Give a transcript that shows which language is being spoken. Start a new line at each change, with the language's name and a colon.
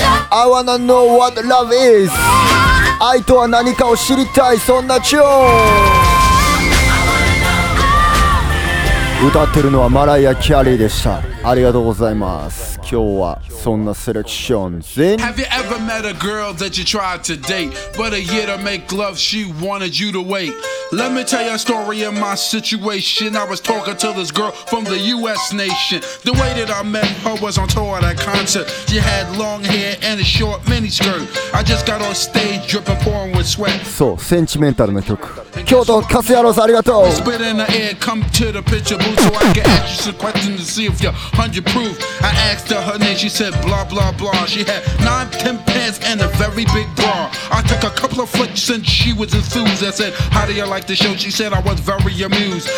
English: I wanna know what love is。
Japanese: 愛とは何かを知りたい、そんなチューン。歌ってるのはマライア・キャリーでした。ありがとうございます。今日はそんなセレクション全。
English: Have you ever met a girl that you tried to date, but a year to make love she wanted you to wait? Let me tell you a story of my situation. I was talking to this girl from the US nation. The way that I met her was on tour at a concert. She had long hair and a short miniskirt. I just got on stage dripping pouring with sweat.
Japanese: そう、センチメンタルの曲。京都カスヤロス、ありがとう。
English: Spit in the air, come to the picture booth so I can ask you some questions to see if you're 100 proof. I asked her her name, she said blah blah blah. She had 9-10 pants and a very big bra. I took a couple of flicks and she was enthused. I said, how do you like the show? She said I was very amused.